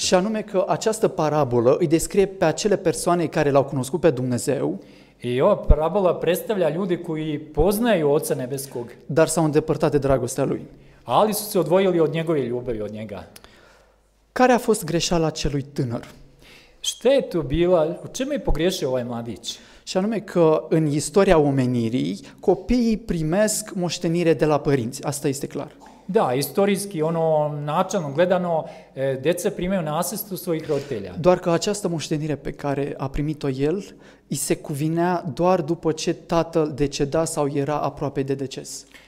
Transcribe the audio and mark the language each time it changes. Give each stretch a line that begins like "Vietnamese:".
Romanian: Și anume că această parabolă îi descrie pe acele persoane care l-au cunoscut pe Dumnezeu.
Serbian: I ova parabola predstavlja ljude koji poznaju Oca Nebeskog.
Romanian: Dar s-au îndepărtat de dragostea lui.
Serbian: Ali su se odvojili od njegove ljubavi, od njega.
Romanian: Care a fost greșeala celui tânăr?
Serbian: Šta je to bila, u čemu je pogrešio ovaj mladić?
Romanian: Și anume că în istoria omenirii copiii primesc moștenire de la părinți, asta este clar.
Serbian: Da, istorijski, ono, načalno gledano, deca primeju nasestu svojih roditelja.
Romanian: Doar că această moștenire pe care a primit-o el, i se cuvinea doar după ce tatăl deceda sau era aproape de deces.